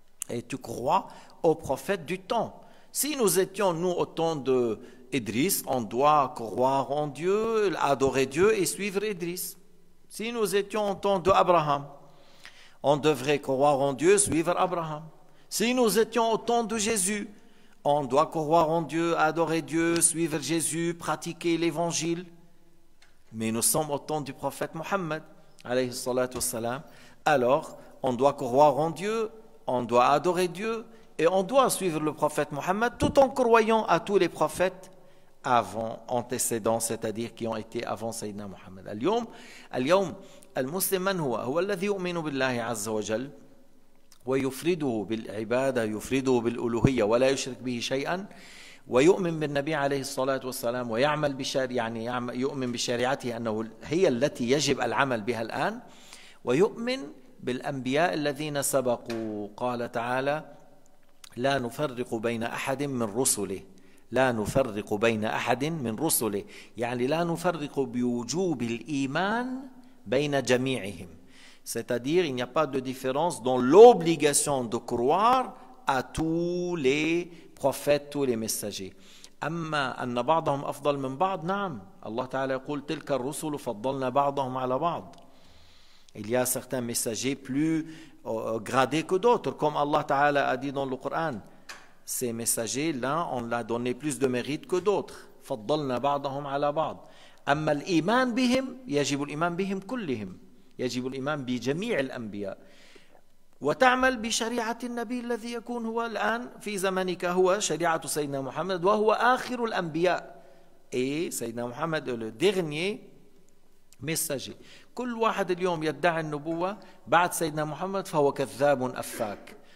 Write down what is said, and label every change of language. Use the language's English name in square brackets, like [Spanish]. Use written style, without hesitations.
[French] Et tu crois au prophète du temps. Si nous étions nous au temps d'Idris, on doit croire en Dieu, adorer Dieu et suivre Idris. Si nous étions au temps d'Abraham, on devrait croire en Dieu, suivre Abraham. Si nous étions au temps de Jésus, on doit croire en Dieu, adorer Dieu, suivre Jésus, pratiquer l'évangile. Mais nous sommes au temps du prophète Mohammed, alayhi salatu wassalam. Alors, on doit croire en Dieu, on doit adorer Dieu, et on doit suivre le prophète Mohammed tout en croyant à tous les prophètes avant, antécédents, c'est-à-dire qui ont été avant Sayyidina Mohammed. [Arabic] Al-yom, al-musliman huwa, huwa alladhi yu'minu billahi azza wa jal. ويفرده بالعبادة يفرده بالألوهية ولا يشرك به شيئا ويؤمن بالنبي عليه الصلاة والسلام ويعمل بشر يعني يؤمن بشريعته أنه هي التي يجب العمل بها الآن ويؤمن بالأنبياء الذين سبقوا. قال تعالى لا نفرق بين أحد من رسله لا نفرق بين أحد من رسله، يعني لا نفرق بوجوب الإيمان بين جميعهم. [French] C'est-à-dire il n'y a pas de différence dans l'obligation de croire à tous les prophètes, tous les messagers. [Arabic] أما أن بعضهم أفضل من بعض، نعم. الله تعالى يقول تلك الرسل فضلنا بعضهم على بعض. [French] Il y a certains messagers plus gradés que d'autres, comme Allah Ta'ala a dit dans le Coran. Ces messagers-là, on leur a donné plus de mérite que d'autres. [Arabic] فَضَّلْنَا بَعْضَهُمْ عَلَى بَعْضٍ أَمَّا الْإِيمَانِ بِهِمْ يَجِبُ الْإِيمَانِ بِهِمْ كُلِّهِمْ يَجِبُ الْإِيمَانِ بِجَمِيعِ الْأَنْبِيَاءِ وَتَعْمَلْ بِشَرِيعَةِ النَّبِيِّ الَّذِي يَكُونُ هُوَ الْآنِ فِي زَمَنِكَ هُوَ شَرِيعَةُ سَيِّدِنَا مُحَمَّدٍ وَهُوَ آخِرُ الْأَنْبِيَاءِ إيه سيدنا محمد هو الدِّغْنِيَ مِسَّجِ كل واحد اليوم يدعي النبوة بعد سيدنا محمد فهو كذاب أفاك.